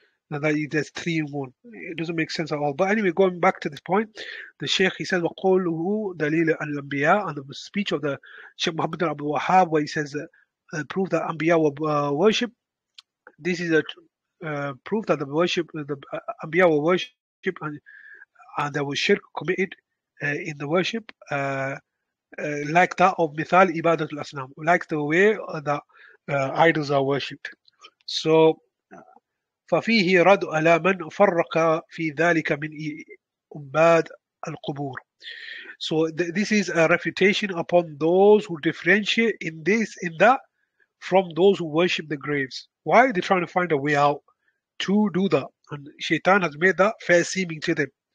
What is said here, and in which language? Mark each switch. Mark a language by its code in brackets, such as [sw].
[en] Now that there's three in one, it doesn't make sense at all. But anyway, going back to this point, the Shaykh, he says, [ar] وَقُولُهُ دَلِيلَ الْأَنْبِيَاء, [en] and the speech of the Shaykh Muhammad bin Abdul Wahab, where he says that proof that Anbiya were worship. This is a proof that the worship, the Anbiya were worship, and there was shirk committed in the worship, like that of [ar] Mithal Ibadat al-Asnam, [en] like the way that idols are worshipped. [ar] So ففيه رد على من فرق في ذلك من عباد القبور. [en] So this is a refutation upon those who differentiate in this, in that, from those who worship the graves. Why? They're trying to find a way out to do that. And Shaitan has made that fair seeming to them.